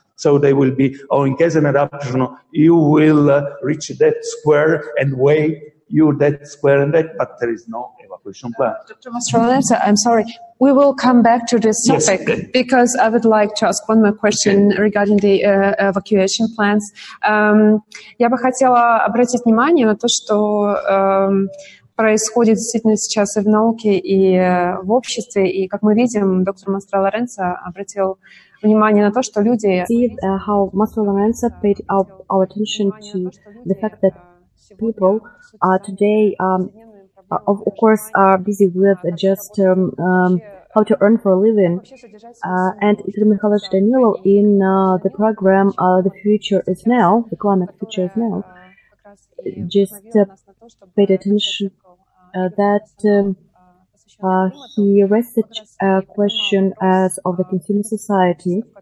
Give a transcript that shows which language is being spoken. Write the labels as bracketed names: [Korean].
[English] So they will be, oh, in case of an eruption, you will reach that square and wait you that square and that, but there is no evacuation plan. Dr. Mastrolenza, I'm sorry. We will come back to this topic because I would like to ask one more question regarding the evacuation plans. [Russian] Я бы хотела обратить внимание на то, что происходит действительно сейчас и в науке, и в обществе. И, как мы видим, доктор Мастро Лоренцо обратил внимание на то, что люди... [English] How Mastro Lorenzo paid our attention to the fact that people today, of course, are busy with just how to earn for a living. And Игорь Михайлович Данилов in the program The Future Is Now, The Climate Future Is Now, just paid attention he raised a question as of the consumer society.